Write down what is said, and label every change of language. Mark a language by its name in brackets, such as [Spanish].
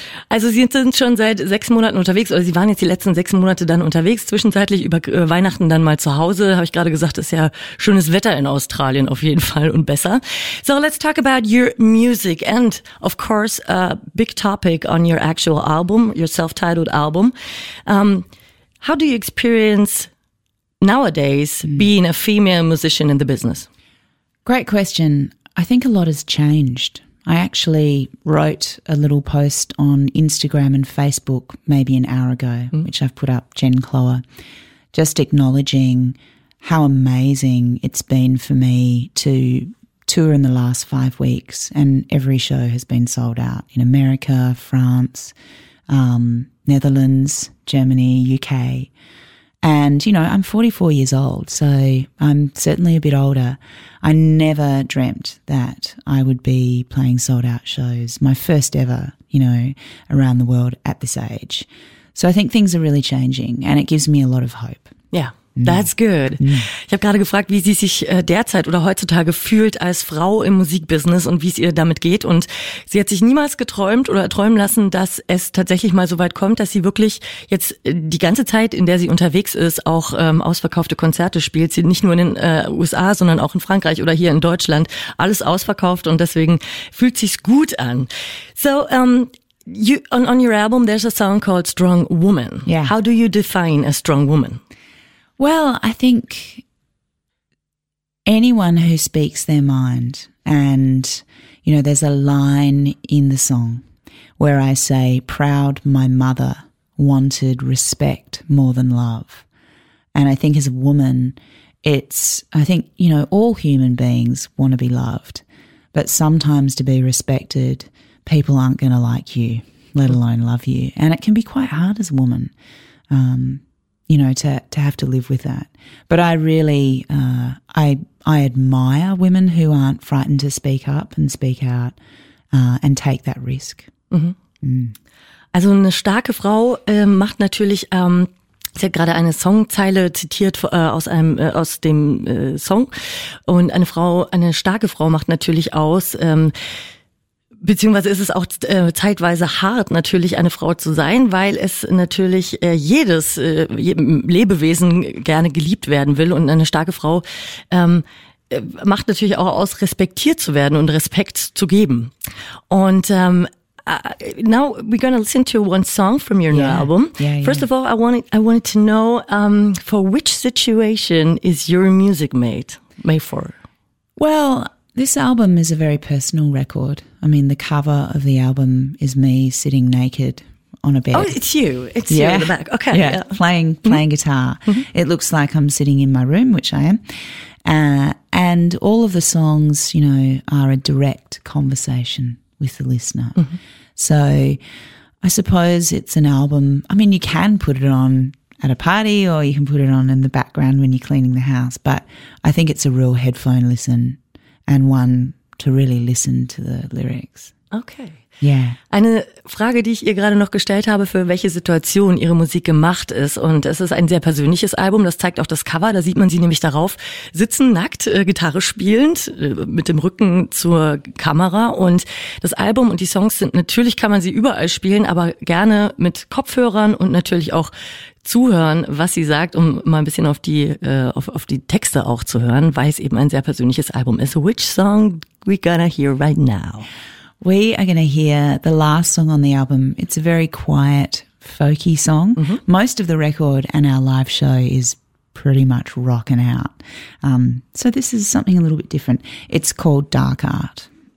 [German] Also Sie sind schon seit 6 Monaten unterwegs oder Sie waren jetzt die letzten 6 Monate dann unterwegs, zwischenzeitlich über Weihnachten dann mal zu Hause, habe ich gerade gesagt, ist ja schönes Wetter in Australien auf jeden Fall und besser. [English] So let's talk about your music and of course a big topic on your actual album, your self-titled album. How do you experience nowadays being a female musician in the business? Great question. I think a lot has changed. I actually wrote a little post on Instagram and Facebook maybe an hour ago, mm-hmm. which I've put up, Jen Chloe, just acknowledging how amazing it's been for me to tour in the last 5 weeks, and every show has been sold out in America, France, Netherlands, Germany, UK. And, you know, I'm 44 years old, so I'm certainly a bit older. I never dreamt that I would be playing sold-out shows, my first ever, you know, around the world at this age. So I think things are really changing and it gives me a lot of hope. Yeah, that's good. Mm. [German] Ich habe gerade gefragt, wie sie sich derzeit oder heutzutage fühlt als Frau im Musikbusiness und wie es ihr damit geht. Und sie hat sich niemals geträumt oder träumen lassen, dass es tatsächlich mal so weit kommt, dass sie wirklich jetzt die ganze Zeit, in der sie unterwegs ist, auch ausverkaufte Konzerte spielt. Sie nicht nur in den USA, sondern auch in Frankreich oder hier in Deutschland alles ausverkauft und deswegen fühlt sich's gut an. [English] So, on your album, there's a song called Strong Woman. Yeah. How do you define a strong woman? Well, I think anyone who speaks their mind and, you know, there's a line in the song where I say, proud my mother wanted respect more than love. And I think as a woman, you know, all human beings want to be loved, but sometimes to be respected, people aren't going to like you, let alone love you. And it can be quite hard as a woman, you know, to have to live with that. But I really, I admire women who aren't frightened to speak up and speak out and take that risk. Mhm. Mm. [German] Also eine starke Frau macht natürlich, sie hat gerade eine Songzeile zitiert aus dem Song. Und eine starke Frau macht natürlich aus, beziehungsweise ist es auch zeitweise hart, natürlich eine Frau zu sein, weil es natürlich jedem Lebewesen gerne geliebt werden will. Und eine starke Frau macht natürlich auch aus, respektiert zu werden und Respekt zu geben. Und [English] Now we're going to listen to one song from your new album. First of all, I wanted to know for which situation is your music made for? Well, this album is a very personal record. I mean, the cover of the album is me sitting naked on a bed. Oh, it's you. It's you in the back. Okay. Yeah, yeah. playing guitar. Mm-hmm. It looks like I'm sitting in my room, which I am. And all of the songs, you know, are a direct conversation with the listener. Mm-hmm. So I suppose it's an album. I mean, you can put it on at a party or you can put it on in the background when you're cleaning the house. But I think it's a real headphone listen and one to really listen to the lyrics. Okay. Yeah. [German] Eine Frage, die ich ihr gerade noch gestellt habe, für welche Situation ihre Musik gemacht ist. Und es ist ein sehr persönliches Album. Das zeigt auch das Cover. Da sieht man sie nämlich darauf sitzen, nackt, Gitarre spielend, mit dem Rücken zur Kamera. Und das Album und die Songs sind, natürlich kann man sie überall spielen, aber gerne mit Kopfhörern und natürlich auch zuhören, was sie sagt, um mal ein bisschen auf die Texte auch zu hören, weil es eben ein sehr persönliches Album ist. [English] Which song we gonna hear right now? We are going to hear the last song on the album. It's a very quiet, folky song. Mm-hmm. Most of the record and our live show is pretty much rocking out. So this is something a little bit different. It's called Dark Art.